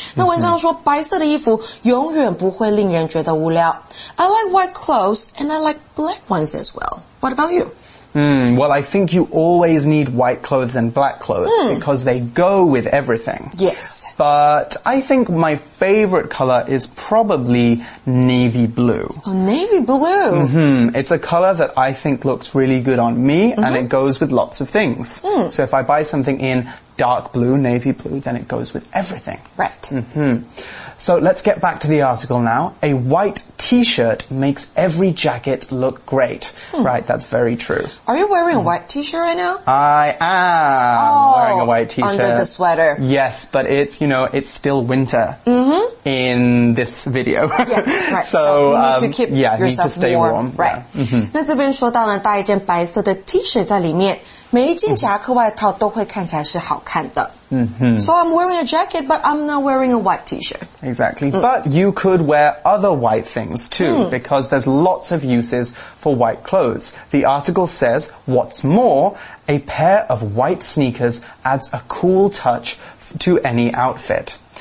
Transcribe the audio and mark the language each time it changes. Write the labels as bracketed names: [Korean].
[Chinese] 那文章说白色的衣服永远不会令人觉得无聊。 [English] I like white clothes and I like black ones as well. What about you? Well, I think you always need white clothes and black clothes because they go with everything. Yes. But I think my favorite color is probably navy blue. Oh, navy blue. It's a color that I think looks really good on me and it goes with lots of things. So if I buy something in dark blue, navy blue, then it goes with everything. Right. So let's get back to the article now. A white t-shirt makes every jacket look great. Right, that's very true. Are you wearing a white t-shirt right now? I am wearing a white t-shirt. Under the sweater. Yes, but it's, you know, it's still winter in this video. So you need to keep yourself warm. Right. [Chinese] 那这边说到呢，带一件白色的 t-shirt 在里面。每一件夹克外套都会看起来是好看的。 [English] So I'm wearing a jacket, but I'm not wearing a white t-shirt. Exactly. But you could wear other white things too, because there's lots of uses for white clothes. The article says, what's more, a pair of white sneakers adds a cool touch to any outfit.